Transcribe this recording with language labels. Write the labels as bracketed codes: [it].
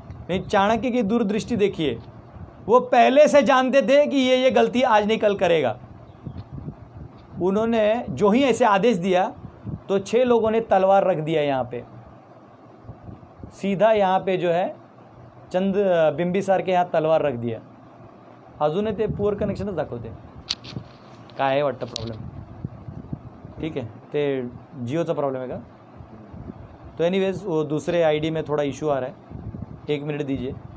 [hi] नहीं, चाणक्य की दूरदृष्टि देखिए, वो पहले से जानते थे कि ये गलती आज नहीं कल करेगा। उन्होंने जो ही ऐसे आदेश दिया तो 6 लोगों ने तलवार रख दिया यहाँ पे, सीधा यहाँ पे जो है चंद बिंबिसार के यहाँ तलवार रख दिया। [mr] अजून ते पुअर कनेक्शन दाखवते काय आहे वाटतं प्रॉब्लेम, [hi] ठीक है [mr] ते जिओचा प्रॉब्लेम है का? [hi] तो एनीवेज वो दूसरे आईडी में थोड़ा इशू आ रहा है, एक मिनट दीजिए।